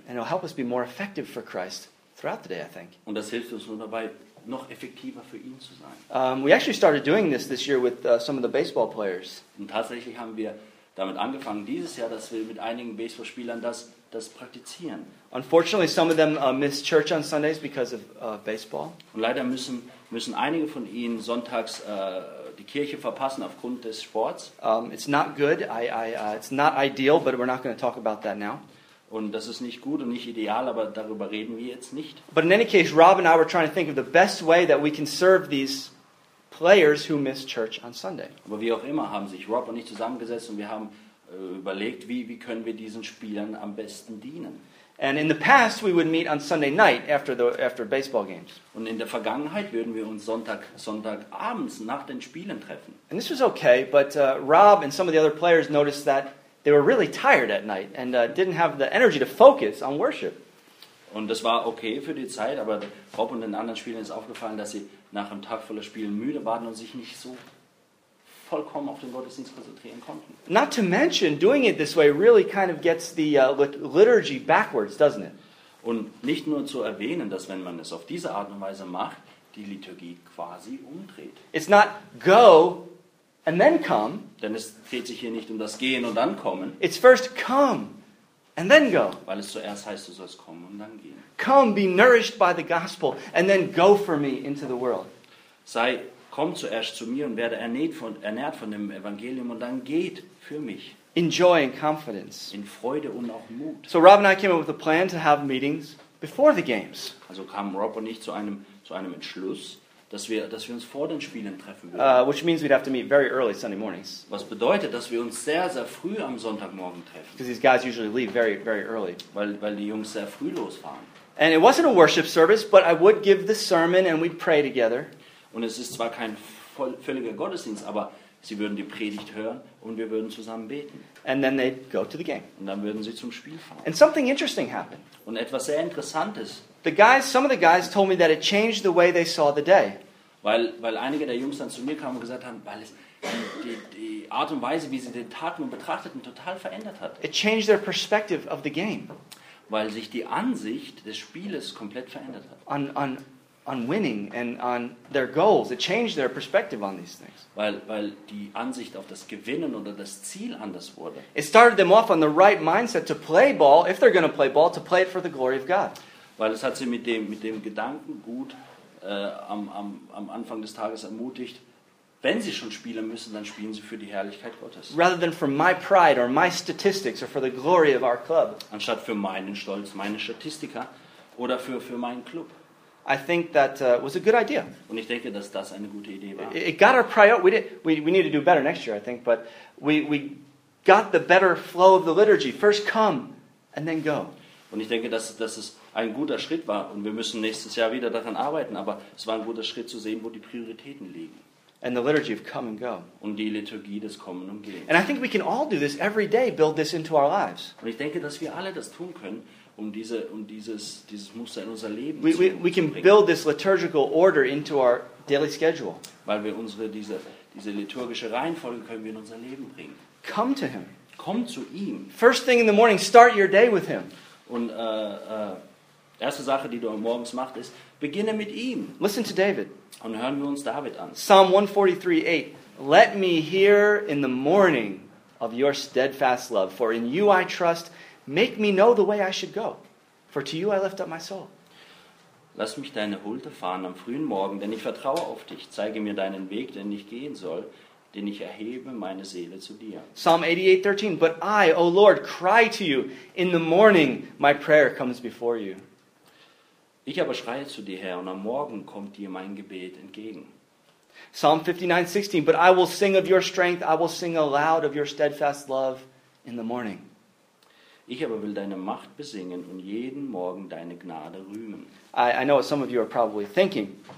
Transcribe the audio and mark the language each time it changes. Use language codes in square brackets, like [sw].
[en] And it'll help us be more effective for Christ throughout the day, I think. [de] Und das hilft uns nur dabei, noch effektiver für ihn zu sein. [en] We actually started doing this year with some of the baseball players. [de] Und tatsächlich haben wir damit angefangen dieses Jahr, dass wir mit einigen Baseballspielern das praktizieren. [en] Unfortunately, some of them miss church on Sundays because of baseball. [de] Und leider müssen einige von ihnen sonntags die Kirche verpassen aufgrund des Sports. [en] It's not good. It's not ideal, but we're not going to talk about that now. [de] Und das ist nicht gut und nicht ideal, aber darüber reden wir jetzt nicht. [en] But in any case, Rob and I were trying to think of the best way that we can serve these players who miss church on Sunday. [de] Aber wie auch immer haben sich Rob und ich zusammengesetzt und wir haben überlegt, wie können wir diesen Spielern am besten dienen. [en] And in the past we would meet on Sunday night after baseball games. [de] Und in der Vergangenheit würden wir uns Sonntag abends nach den Spielen treffen. [en] And this was okay, but Rob and some of the other players noticed that they were really tired at night and didn't have the energy to focus on worship. [de] Und das war okay für die Zeit, aber Rob und den anderen Spielern ist aufgefallen, dass sie nach einem Tag voller Spielen müde waren und sich nicht so vollkommen auf den Gottesdienst konzentrieren konnten. [en] Not to mention, doing it this way really kind of gets the liturgy backwards, doesn't it? [de] Und nicht nur zu erwähnen, dass wenn man es auf diese Art und Weise macht, die Liturgie quasi umdreht. [en] It's not go and then come. [de] Denn es dreht sich hier nicht um das Gehen und dann Kommen. [en] It's first come and then go. [de] Weil es zuerst heißt, du sollst kommen und dann gehen. [en] Come, be nourished by the gospel and then go for me into the world. [de] Sei komm zuerst zu mir und werde ernährt von dem Evangelium und dann geht für mich. [en] In joy and confidence. [de] In Freude und auch Mut. [en] So Rob and I came up with a plan to have meetings before the games. [de] Also kamen Rob und ich zu einem Entschluss, dass wir uns vor den Spielen treffen würden. [en] Which means we'd have to meet very early Sunday mornings. [de] Was bedeutet, dass wir uns sehr, sehr früh am Sonntagmorgen treffen. [en] Because these guys usually leave very, very early. [de] Weil die Jungs sehr früh losfahren. [en] And it wasn't a worship service, but I would give the sermon and we'd pray together. [de] Und es ist zwar kein völliger Gottesdienst, aber sie würden die Predigt hören und wir würden zusammen beten. [en] And then they'd go to the game. [de] Und dann würden sie zum Spiel fahren. [en] And something interesting happened. [de] Und etwas sehr Interessantes. [en] Some of the guys told me that it changed the way they saw the day. [de] Weil einige der Jungs dann zu mir kamen und gesagt haben, weil es die Art und Weise, wie sie den Tag nun betrachteten, total verändert hat. [en] It changed their perspective of the game. [de] Weil sich die Ansicht des Spieles komplett verändert hat. [en] On winning and on their goals, it changed their perspective on these things. [de] Weil die Ansicht auf das Gewinnen oder das Ziel anders wurde. [en] It started them off on the right mindset to play ball, if they're going to play ball, to play it for the glory of God. [de] Weil es hat sie mit dem Gedanken gut am Anfang des Tages ermutigt, wenn sie schon spielen müssen, dann spielen sie für die Herrlichkeit Gottes. [en] Rather than for my pride or my statistics or for the glory of our club. [de] Anstatt für meinen Stolz, meine Statistiker oder für meinen Club. [en] I think that was a good idea. [de] Und ich denke, dass das eine gute Idee war. [en] It got our priority. We need to do better next year, I think. But we got the better flow of the liturgy. First come, and then go. [de] Und ich denke, dass es ein guter Schritt war. Und wir müssen nächstes Jahr wieder daran arbeiten. Aber es war ein guter Schritt zu sehen, wo die Prioritäten liegen. [en] And the liturgy of come and go. [de] Und die Liturgie des Kommen und Gehen. [en] And I think we can all do this every day. Build this into our lives. [de] Und ich denke, dass wir alle das tun können. Dieses Muster in unser Leben [en] we can build this liturgical order into our daily schedule. [de] Weil wir diese liturgische Reihenfolge können wir in unser Leben bringen. [en] Come to him. [de] Komm zu ihm. [en] First thing in the morning, start your day with him. [de] Und erste Sache, die du morgens machst, ist, beginne mit ihm. [en] Listen to David. [de] Und hören wir uns David an. [en] Psalm 143:8. Let me hear in the morning of your steadfast love, for in you I trust. Make me know the way I should go, for to you I lift up my soul. [de] Lass mich deine Huld erfahren am frühen Morgen, denn ich vertraue auf dich. Zeige mir deinen Weg, den ich gehen soll, den ich erhebe meine Seele zu dir. [en] Psalm 88:13. But I, O Lord, cry to you. In the morning my prayer comes before you. [de] Ich aber schreie zu dir, Herr, und am Morgen kommt dir mein Gebet entgegen. [en] Psalm 59:16. But I will sing of your strength. I will sing aloud of your steadfast love in the morning. [de] Ich aber will deine Macht besingen und jeden Morgen deine Gnade rühmen. [en] I know what some of you are probably thinking.